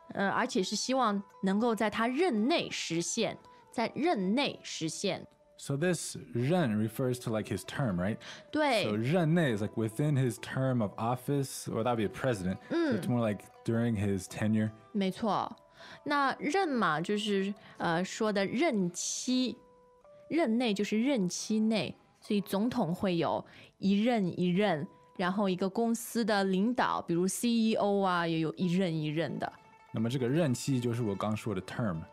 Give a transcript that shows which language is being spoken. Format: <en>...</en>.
<zh>而且是希望能够在他任内实现，在任内实现。</zh> <en>So this 任 refers to like his term, right?</en> <zh>对。</zh> <en>So 任内 is like within his term of office, or that'd be a president.、</en> <zh>嗯、</zh> <en>so it's more like during his tenure.</en> <zh>没错。那任嘛，就是说的任期，任内就是任期内，所以总统会有一任一任，然后一个公司的领导，比如 CEO 啊，也有一任一任的。那么这个任期就是我刚说的 term。</zh>